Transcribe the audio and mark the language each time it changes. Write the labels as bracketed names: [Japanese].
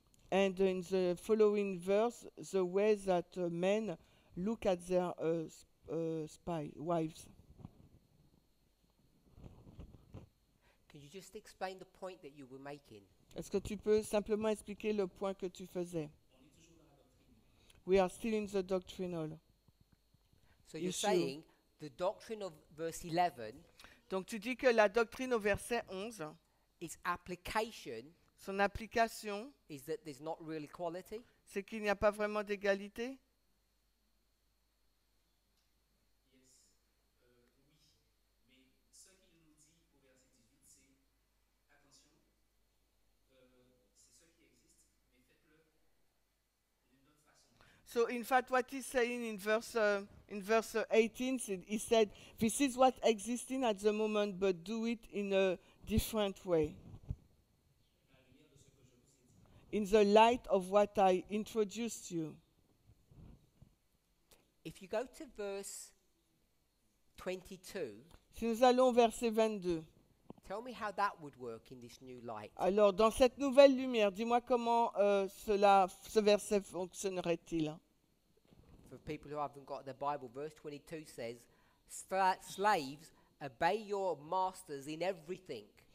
[English] And in the following verse, the way that men look at their wives. Can you just explain the point that you were making? [French] Est-ce que tu peux simplement expliquer le point que tu faisais? [English] We are still in the doctrinal. So you're saying the doctrine of verse 11. [French] Donc tu dis que la doctrine au verset 11 [English] is application. [French] Son application, [English] is that there's not real equality? [French] C'est qu'il n'y a pas vraiment d'égalité. [English] Yes. [French] Oui. Mais ce qu'il nous dit au verset 18, c'est attention, c'est ce qui existe, mais faites-le d'une autre façon. [English] So, in fact, what he's saying in verse 18, he said, this is what existing at the moment, but do it in a different way. In the light of what I introduced you. If you go to verse 22, [French] si nous allons verset 22, [English] tell me how that would work in this new light. [French] Alors, dans cette nouvelle lumière, dis-moi comment ce verset fonctionnerait-il. [English] For people who haven't got the Bible, verse 22 says, slaves, obey your masters in everything.